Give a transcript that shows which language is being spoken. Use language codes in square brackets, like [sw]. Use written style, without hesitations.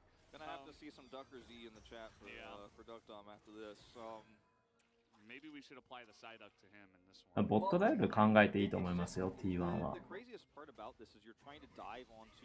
[en] Gonna have to see some Duckers E in the chat for Duck Dom after this. Maybe we should apply the side up to him in this one. [ja] ボットダイブ考えていいと思いますよ、T1 は。 [en] The craziest part about this is you're trying to dive onto.